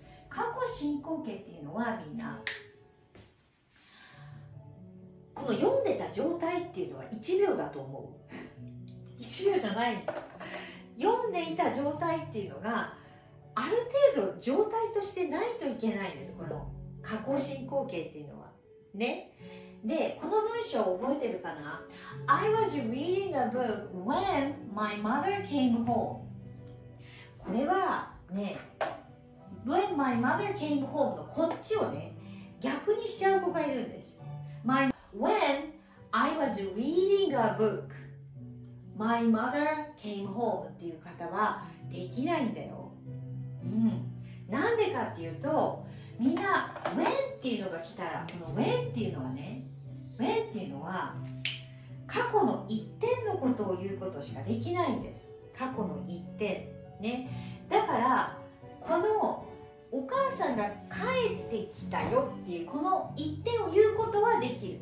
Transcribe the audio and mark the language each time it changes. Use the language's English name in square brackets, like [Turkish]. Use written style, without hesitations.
[Japanese] 過去進行形っていうのはみんなこの読んでた状態っていうのは1秒だと思う1秒じゃない読んでいた状態っていうのがある程度状態としてないといけないんです、この過去進行形っていうのはね。で、この文章を覚えてるかな。 [English] I was reading a book when my mother came home。 [Japanese] これはね、 [English] When my mother came home [Japanese] のこっちをね、逆にしちゃう子がいるんです。 [English] When I was reading a book, my mother came home [Japanese] っていう方はできないんだよ。うん。なんでかっていうと、みんな、When っていうのが来たら、この When っていうのはね、When っていうのは、過去の一点のことを言うことしかできないんです。過去の一点。ね、だからこのお母さんが帰ってきたよっていうこの一点を言うことはできる。